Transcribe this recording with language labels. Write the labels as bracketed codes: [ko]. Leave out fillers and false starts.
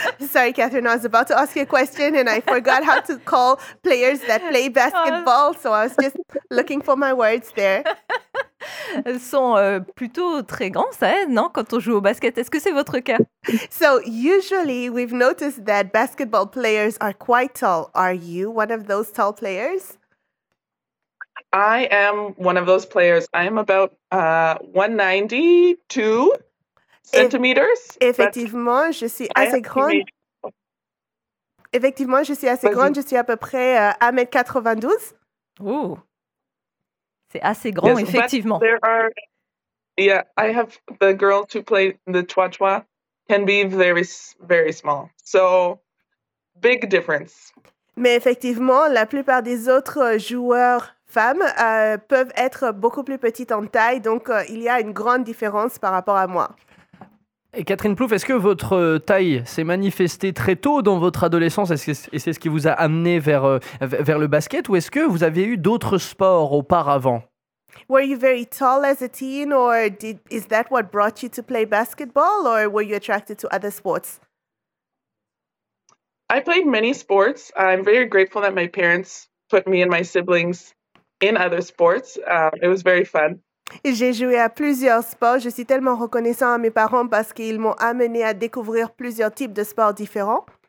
[en] Sorry, Catherine, I was about to ask you a question and I forgot how to call players that play basketball, so I was just looking for my words there. [fr] Elles sont plutôt très grandes, ça aide, non, quand on joue au basket. Est-ce que c'est votre cas? [en] So, usually, we've noticed that basketball players are quite tall. Are you one of those tall players? I am one of those players. I am about 192 centimeters. [fr] Effectivement, je suis assez grande. Effectivement, je suis assez grande. Je suis à peu près 1m92. Ooh. C'est assez grand, [en] yes, [fr] effectivement. [en] I have the girls who play the trois-trois can be very, very small. So, big difference. [fr] Mais effectivement, la plupart des autres joueurs femmes peuvent être beaucoup plus petites en taille, donc il y a une grande différence par rapport à moi. Et Catherine Plouffe, est-ce que votre taille s'est manifestée très tôt dans votre adolescence et c'est ce qui vous a amené vers le basket, ou est-ce que vous avez eu d'autres sports auparavant? [en] Were you very tall as a teen, or is that what brought you to play basketball, or were you attracted to other sports? I played many sports. I'm very grateful that my parents put me and my siblings in other sports. It was very fun. [fr] J'ai joué à plusieurs sports. Je suis tellement reconnaissant à mes parents parce qu'ils m'ont amené à découvrir plusieurs types de sports différents.